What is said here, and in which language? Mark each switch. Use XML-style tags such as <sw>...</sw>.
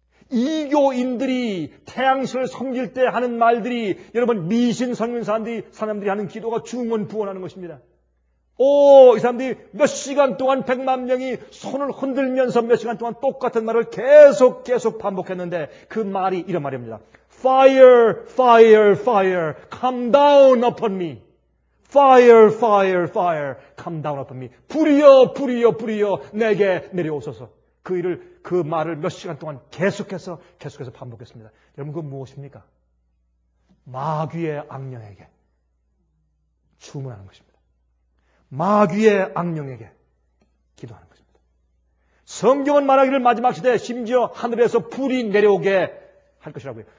<ko>이교인들이 태양신을 섬길 때 하는 말들이 여러분 미신 섬기는 사람들이 하는 기도가 중언 부언하는 것입니다. 이 사람들이 몇 시간 동안 백만 명이 손을 흔들면서 몇 시간 동안 똑같은 말을 계속 반복했는데 그 말이 이런 말입니다.</ko> <en>Fire, fire, fire, come down upon me. Fire, fire, fire, come down upon me.</en> <ko>불이여, 불이여, 불이여, 내게 내려오소서. 그 일을, 그 말을 몇 시간 동안 계속해서 반복했습니다. 여러분, 그건 무엇입니까? 마귀의 악령에게 주문하는 것입니다. 마귀의 악령에게 기도하는 것입니다. 성경은 말하기를 마지막 시대에 심지어 하늘에서 불이 내려오게 할 것이라고요.</ko>